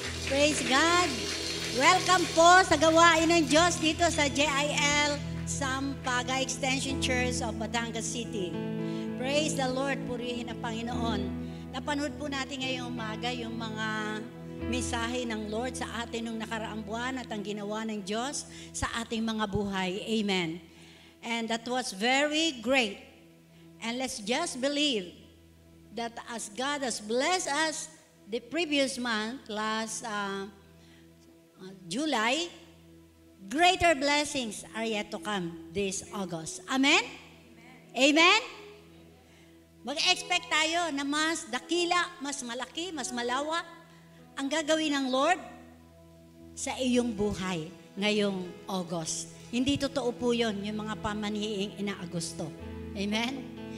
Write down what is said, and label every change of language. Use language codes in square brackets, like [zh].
[en] Praise God. [tl] Welcome po sa gawain ng Diyos dito sa JIL Sampaga Extension Church of Batangas City. [en] Praise the Lord. [tl] Purihin ang Panginoon. Napanood po natin ngayong umaga yung mga mensahe ng Lord sa atin nung nakaraang buwan at ang ginawa ng Diyos sa ating mga buhay. [en] Amen. And that was very great. And let's just believe that as God has blessed us the previous month, last July, greater blessings are yet to come this August. Amen? Amen? Amen? [tl] Mag-expect tayo na mas dakila, mas malaki, mas malawa ang gagawin ng Lord sa iyong buhay ngayong August. Hindi totoo po yun, yung mga pamanhiing ina Agosto. Amen?